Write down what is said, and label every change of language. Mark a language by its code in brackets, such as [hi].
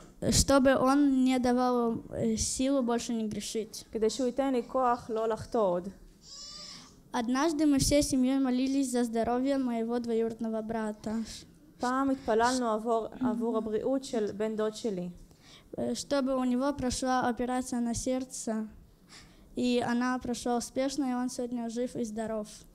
[ru] Чтобы он не давал силу больше не грешить. [he] כדי שהוא ייתן לי כוח לא לחטוא עוד. [ru] Однажды мы всей семьей молились за здоровье моего двоюродного брата. [he] פעם התפללנו עבור הבריאות של בן דוד שלי. [ru] Чтобы у него прошла операция на сердце, и она прошла успешно, и он сегодня жив и здоров.